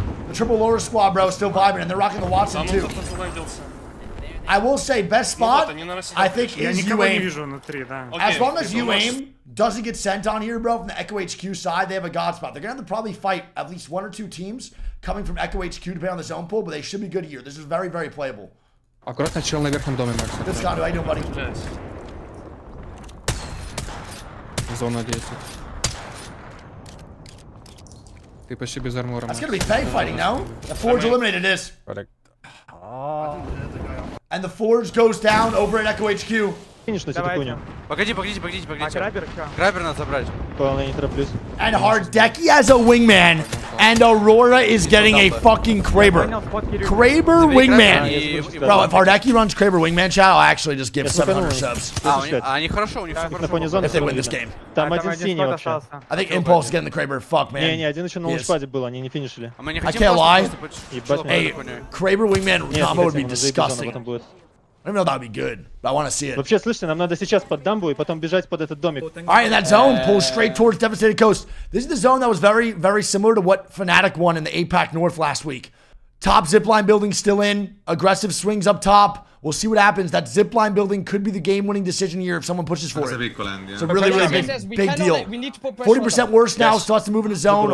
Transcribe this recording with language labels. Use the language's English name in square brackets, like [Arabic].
[English] The triple lower squad, bro, is still vibing, and they're rocking the Watson, too. I will say, best spot, I think, is you aim. As long as you aim doesn't get sent on here, bro, from the Echo HQ side, they have a god spot. They're going to have to probably fight at least one or two teams coming from Echo HQ, depending on the zone pool, but they should be good here. This is very, very playable. [Russian] Аккуратно, чел на верхнем доме, Макс. [English] Good spot, how you doing, buddy? [Russian] Зона 10. Ты почти без армора. [English] That's gonna be fake fighting, no? The Forge eliminated this. And the Forge goes down over at Echo HQ. [Russian] Финиш на секунду. Погодите. А грабер что? Грабер надо забрать. Понял, я не тороплюсь. [English] And Hardeki has a wingman. And Aurora is getting a fucking Kraber. Kraber wingman. Bro, if Hardeki runs Kraber wingman, chat, I'll actually just give 700 subs. [Russian] Они хорошо, у них все хорошо. [English] If they win this game. [Russian] Там один синий вообще. [English] I think Impulse is getting the Kraber. Fuck, man. [Russian] Не, один еще на лоу-спаде был, они не финишили. [English] I can't lie. A Kraber wingman combo would be disgusting. I don't even know if that would be good, but I want to see it. [Russian] Вообще, слышите, нам надо сейчас под дамбу и потом бежать под этот домик. [English] Alright, and that zone pulls straight towards Devastated Coast. This is the zone that was very, very similar to what Fnatic won in the APAC North last week. Top zipline building still in. Aggressive swings up top. We'll see what happens. That zipline building could be the game-winning decision here if someone pushes for it. It's a big call end, yeah. It's a really, really big, big deal. 40% worse now, still has to move in a zone.